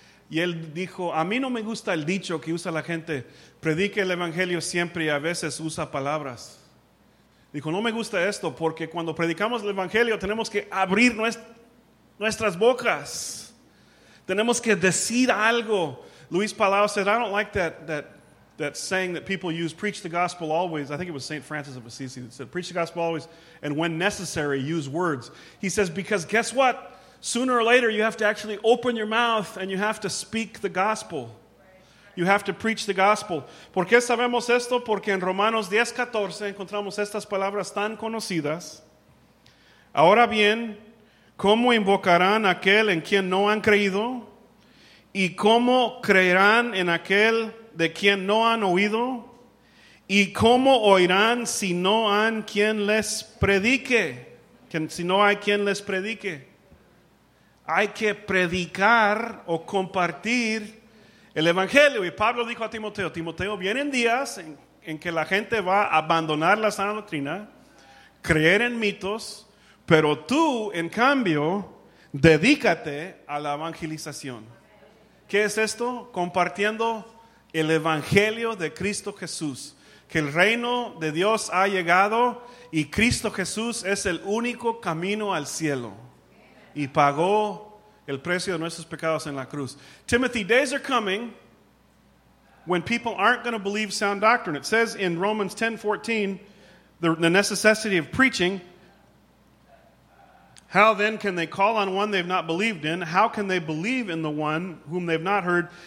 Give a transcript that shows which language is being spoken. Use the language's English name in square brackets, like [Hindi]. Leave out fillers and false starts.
[Spanish] Y él dijo, a mí no me gusta el dicho que usa la gente. Predique el evangelio siempre y a veces usa palabras. Dijo, no me gusta esto porque cuando predicamos el evangelio tenemos que abrir nuestras bocas. Tenemos que decir algo. [English] Luis Palau said, I don't like that saying that people use, preach the gospel always. I think it was St. Francis of Assisi that said, preach the gospel always and when necessary use words. He says, because guess what? Sooner or later you have to actually open your mouth and you have to speak the gospel. You have to preach the gospel. [Spanish] ¿Por qué sabemos esto? Porque en Romanos 10:14 encontramos estas palabras tan conocidas. Ahora bien, ¿cómo invocarán aquel en quien no han creído? ¿Y cómo creerán en aquel de quien no han oído? ¿Y cómo oirán si no hay quien les predique? Si no hay quien les predique. Hay que predicar o compartir el evangelio. Y Pablo dijo a Timoteo, Timoteo, vienen días en que la gente va a abandonar la sana doctrina, creer en mitos, pero tú, en cambio, dedícate a la evangelización. ¿Qué es esto? Compartiendo el evangelio de Cristo Jesús, que el reino de Dios ha llegado y Cristo Jesús es el único camino al cielo y pagó el precio de nuestros pecados en la cruz. [English] Timothy, days are coming when people aren't going to believe sound doctrine. It says in Romans 10:14, the necessity of preaching. How then can they call on one they've not believed in? How can they believe in the one whom they've not heard?